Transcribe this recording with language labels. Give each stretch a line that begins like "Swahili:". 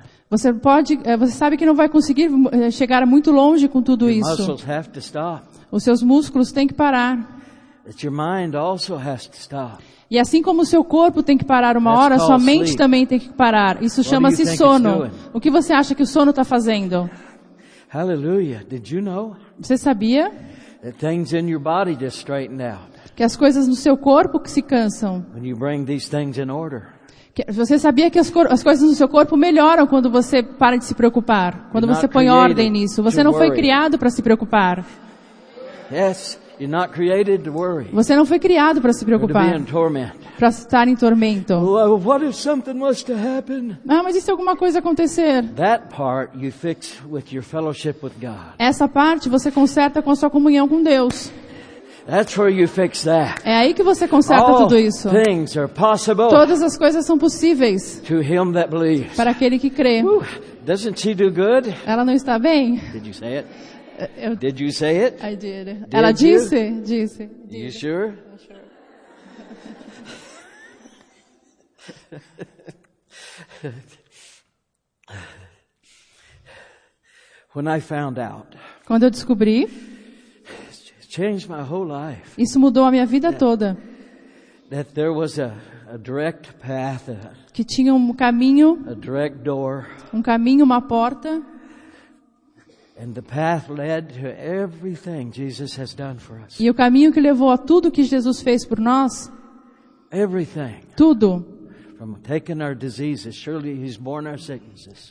Portuguese: Você sabe que não vai conseguir chegar muito longe com tudo isso. Os músculos têm que parar. Os seus músculos têm que parar.
English: But your mind also has to stop.
Portuguese: E assim como o seu corpo tem que parar uma hora, sua mente
English: sleep.
Portuguese: Também tem que parar. Isso
English: What
Portuguese: chama-se sono. O que você acha que o sono está fazendo?
English: Hallelujah. Did you know?
Portuguese: Você sabia?
English: That things in your body just straightened out.
Portuguese: Que as coisas no seu corpo que se cansam.
English: When you bring these things in order.
Portuguese: Você sabia que as coisas no seu corpo melhoram quando você para de se preocupar? Quando
English: You're
Portuguese: você põe ordem nisso? Você não foi criado para se preocupar.
English: Yes, you're not created to worry.
Portuguese: Você não foi criado para se preocupar. Para estar em tormento.
English: Well, what if something was to happen?
Portuguese: Ah, mas e se alguma coisa acontecer?
English: That part you fix with your fellowship with God.
Portuguese: Essa parte você conserta com a sua comunhão com Deus.
English: That's where you fix that.
Portuguese: É aí que você conserta
English: All
Portuguese: tudo isso.
English: Things are possible.
Portuguese: Todas as coisas são possíveis.
English: To him that believes.
Portuguese: Para aquele que crê.
English: Doesn't she do good?
Portuguese: Ela não está bem?
English: Did you say it? Did you say it? I did.
Portuguese: Ela disse? Disse.
English: Are you sure? When I found out.
Portuguese: Quando eu descobri.
English: Changed my whole life.
Portuguese: Isso mudou a minha vida toda.
English: That there was a direct path.
Portuguese: Que tinha um caminho.
English: A direct door.
Portuguese: Um caminho, uma porta.
English: And the path led to everything Jesus has done for us.
Portuguese: E o caminho que levou a tudo que Jesus fez por nós.
English: Everything.
Portuguese: Tudo.
English: From taking our diseases, surely He's borne our sicknesses.